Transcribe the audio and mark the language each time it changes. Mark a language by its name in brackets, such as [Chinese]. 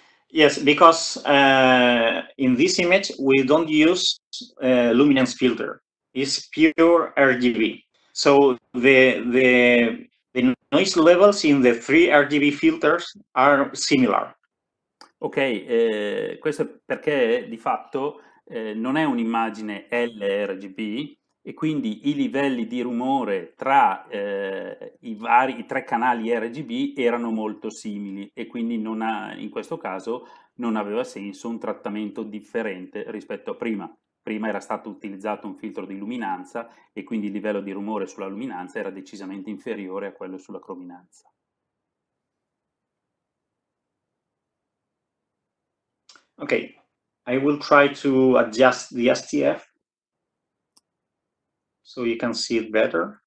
[English] Yes, because in this image we don't use luminance filter. It's pure RGB. So the noise levels in the three RGB filters are similar. [Italian] Ok, questo perché di fatto non è un'immagine LRGB e quindi i livelli di rumore tra i tre canali RGB erano molto simili e quindi non ha, in questo caso non aveva senso un trattamento differente rispetto a prima. Prima era stato utilizzato un filtro di luminanza e quindi il livello di rumore sulla luminanza era decisamente inferiore a quello sulla crominanza. [English] Ok, I will try to adjust the STF so you can see it better.